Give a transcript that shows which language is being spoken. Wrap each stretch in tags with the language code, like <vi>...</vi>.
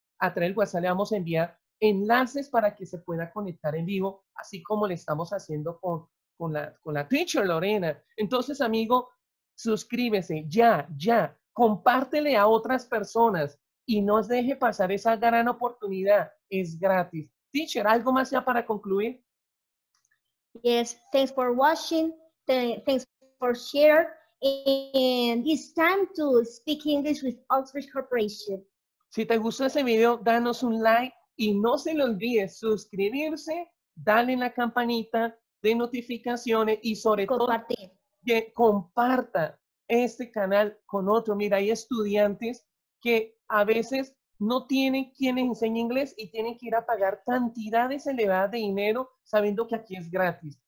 <es>A través del WhatsApp le vamos a enviar enlaces para que se pueda conectar en vivo, así como le estamos haciendo con la teacher Lorena. Entonces, amigo, suscríbese ya. Compártele a otras personas y no deje pasar esa gran oportunidad. Es gratis. Teacher, ¿algo más ya para concluir?</es> <en>Yes, thanks for watching, thanks for sharing, and it's time to speak English with Oxbridge Corporation.</en> <es>Si te gustó ese video, danos un like y no se le olvide suscribirse, dale en la campanita de notificaciones y sobre compartir. Todo que comparta este canal con otro. Mira, hay estudiantes que a veces no tienen quienes enseñen inglés y tienen que ir a pagar cantidades elevadas de dinero sabiendo que aquí es gratis.</es>